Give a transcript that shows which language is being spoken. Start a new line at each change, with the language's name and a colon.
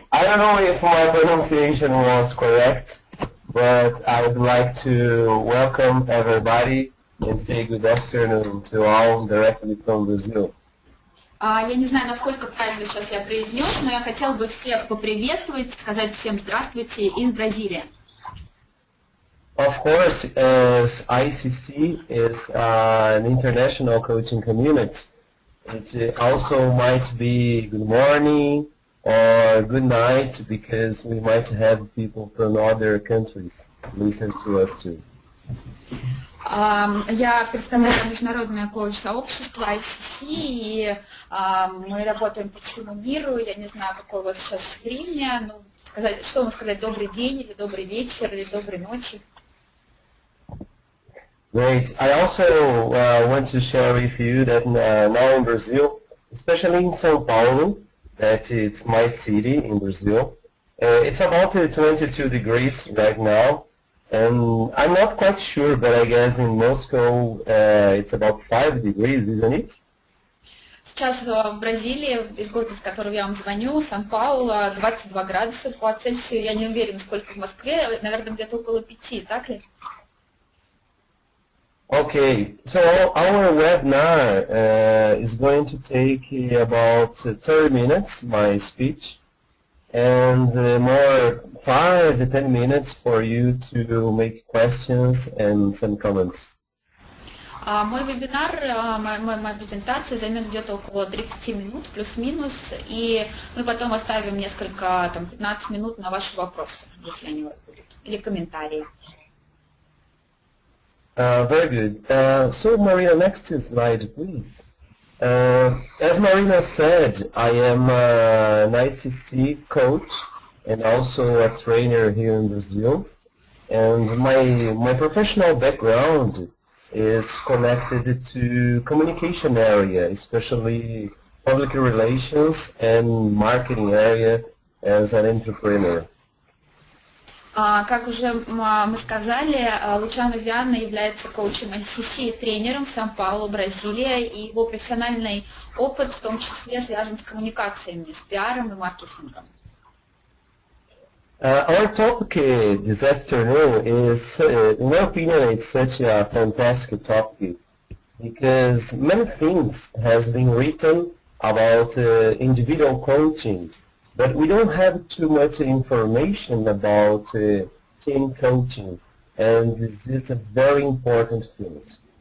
English: I don't know if my pronunciation was correct, but I would like to welcome everybody and say good afternoon to all directly from Brazil.
Russian: Я не знаю, насколько правильно сейчас я произнес, но я хотел бы всех поприветствовать, сказать всем здравствуйте из Бразилии.
English: Of course, as ICC is an international coaching community, it also might be good morning or good night, because we might have people from other countries listen to us too.
Russian: Я представляю международное коуч-сообщество ICC, и мы работаем по всему миру. Я не знаю, какое у вас сейчас время, но сказать, что вам сказать, добрый день, или добрый вечер, или доброй ночи.
English: Great. I also want to share with you that now in Brazil, especially in São Paulo, that it's my city in Brazil. It's about 22 degrees right now, and I'm not quite sure, but I guess in Moscow it's about 5 degrees, isn't it?
Russian: Сейчас в Бразилии, из города, из которого я вам звоню, Сан-Паулу, 22 градуса по Цельсию. Я не уверен, сколько в Москве, наверное, где-то около 5, так ли?
English: Okay, so our webinar is going to take about 30 minutes, my speech, and more 5 to 10 minutes for you to make questions and some comments.
Russian: Мой вебинар, моя презентация займет где-то около 30 минут, плюс-минус, и мы потом оставим несколько, там, 15 минут на ваши вопросы, если они у вас будут, или комментарии.
English: Very good. So, Marina, next slide, please. As Marina said, I am an ICC coach and also a trainer here in Brazil. And my professional background is connected to communication area, especially public relations and marketing area as an entrepreneur.
Russian: Как уже мы сказали, Лучано Виана является коучем ICC и тренером в Сан-Паулу, Бразилия, и его профессиональный опыт в том числе связан с коммуникациями, с пиаром и маркетингом.
English: Our topic this afternoon is, in my opinion, it's such a fantastic topic, because many things has been written about individual coaching. But we don't have too much information about team coaching, and this is a very important field.